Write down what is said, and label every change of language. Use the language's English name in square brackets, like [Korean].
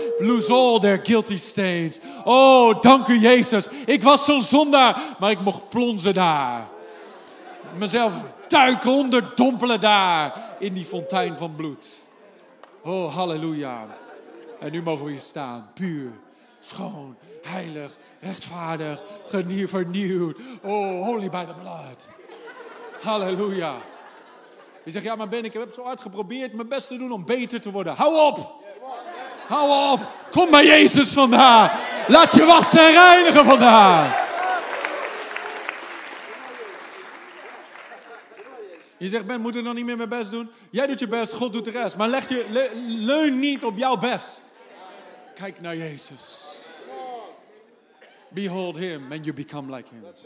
[English] Lose all their guilty stains. [Dutch] Oh, dank u Jezus. Ik was zo'n zondaar, maar ik mocht plonzen daar. Mezelf duiken onder, dompelen daar in die fontein van bloed. Oh, halleluja. En nu mogen we hier staan. Puur, schoon, heilig, rechtvaardig, vernieuwd. [English] Oh, holy by the blood. Halleluja. [Dutch] Je zegt, ja, maar Ben, ik heb zo hard geprobeerd mijn best te doen om beter te worden. Hou op. Hou op. Kom bij Jezus vandaan. Laat je wassen en reinigen vandaan. Je zegt, Ben, moet ik nog niet meer mijn best doen? Jij doet je best, God doet de rest. Maar leun niet op jouw best. Kijk naar Jezus. [English] Behold him and you become like him.